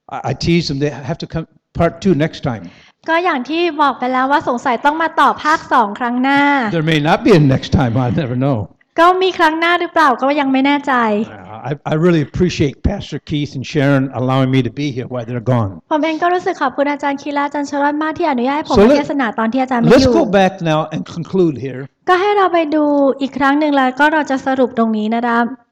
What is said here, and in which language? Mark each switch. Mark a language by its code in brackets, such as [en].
[en] I tease them they have to come part 2 next time [th] ก็อย่างที่บอกไปแล้วว่าสงสัยต้องมาต่อภาค2ครั้งหน้า [en] There may not be a next time I never know [th] ก็มีครั้งหน้าหรือเปล่าก็ยังไม่แน่ใจ [en] I really appreciate Pastor Keith and Sharon allowing me to be here while they're gone. [th] ผมเองก็รู้สึกขอบคุณอาจารย์คีลาอาจารย์ชรัตน์มากที่อนุญาตให้ผมมาเทศนาตอนที่อาจารย์ไม่อยู่ [en] Let's go back now and conclude here. [th] ก็ให้เราไปดูอีกครั้งนึงแล้วก็เราจะสรุปตรงนี้นะครับ